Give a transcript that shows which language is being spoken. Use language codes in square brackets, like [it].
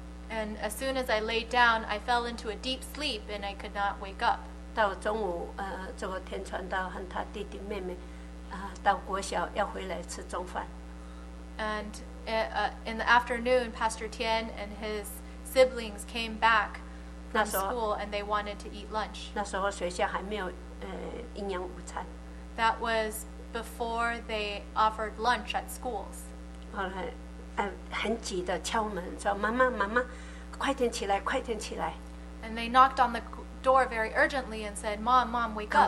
[en] and as soon as I laid down I fell into a deep sleep and I could not wake up [zh] 到中午这个天传道和他弟弟妹妹到国小要回来吃中饭 [en] and in the afternoon Pastor Tian and his siblings came backschool and they wanted to eat lunch. [zh] 那时候学校还没有营养午餐。 [en] That was before they offered lunch at schools. [zh] 后来，很急的敲门，说妈妈妈妈，快点起来，快点起来。 [en] And they knocked on the door very urgently and said, "Mom, Mom, wake up."